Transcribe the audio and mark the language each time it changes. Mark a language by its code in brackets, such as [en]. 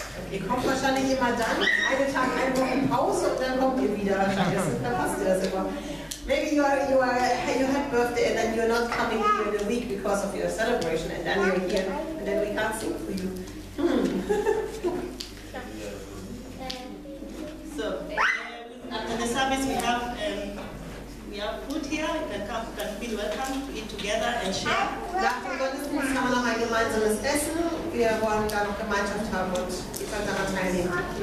[de] Ihr kommt wahrscheinlich immer dann, einen Tag, eine Woche Pause und dann kommt ihr wieder. Dann passt ihr das immer. [en] Maybe you had birthday and then you're not coming here in a week because of your celebration and then you're here and then we can't sing for you. So, after the service we have food here. You can feel welcome to eat together and share. [de] Nach dem Gottesdienst haben wir noch ein gemeinsames Essen. Wir wollen da noch Gemeinschaft haben und ihr könnt daran teilnehmen.